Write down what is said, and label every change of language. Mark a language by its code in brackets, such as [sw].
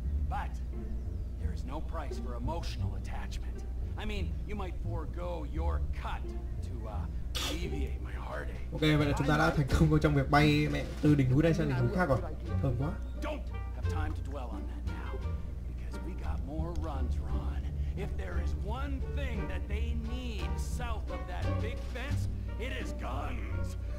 [en] But there is no price for emotional attachment. I mean, you might forego your cut to alleviate my heartache. [vi] Okay, vậy là chúng ta đã thành công trong việc bay mẹ từ đỉnh núi này sang đỉnh núi khác rồi. Thơm quá. [en] Don't have time to dwell on that now, because we got more runs, Ron. If there is one thing that they need south of that big fence, it is guns.